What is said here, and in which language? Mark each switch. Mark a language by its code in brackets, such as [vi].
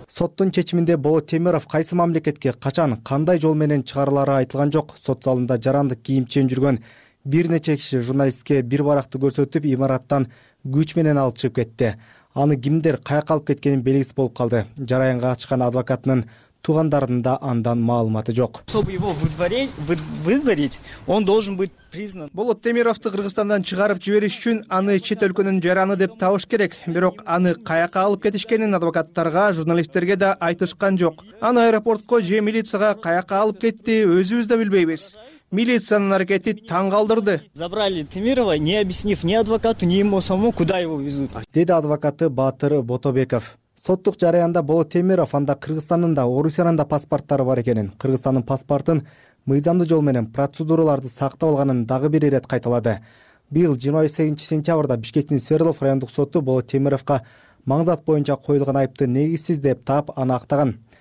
[ky] Соттун чечиминде Болот Темиров кайсы мамлекетке, качан, кандай жол менен чыгарылары айтылган жок. Сот залында жарандык кийим чен жүргөн бир нече киши журналистке бир баракты көрсөтүп, имараттан күч менен алып чыгып кетти. Аны кимдер каяка алып кеткени белгисиз болуп калды. Жараянга ачкан адвокатынын тугандардын да андан маалыматы жок. [ru] Чтобы его выдворить, он должен быть признан. [ky] Болот Темировду Кыргызстандан чыгарып жибериш үчүн аны чет өлкөнүн жараны деп табыш керек. Бирок аны каяка алып кетишкенин адвокаттарга, журналисттерге да айтышкан жок. Аны аэропортко же милицияга каяка алып кетти, өзүбүз да билбейбиз. Милициянын аракети таң калдырды. [ru] Забрали Темирова, не объяснив ни адвокату, ни ему самому, куда его везут. [ky] Деди адвокаты Баатыр Ботобеков. Соттук жараянда Болот Темиров анда Кыргызстандын да Орусиянын да паспорттору бар экенин, Кыргызстандын паспортун мыйзамдуу жол менен процедураларды сактап алганын дагы бир ирет кайталады. Быйыл 28 сентябрда Бишкектин Свердлов райондук соту Болот Темировго маңзат боюнча коюлган айыпты негизсиз деп таап, аны актаган.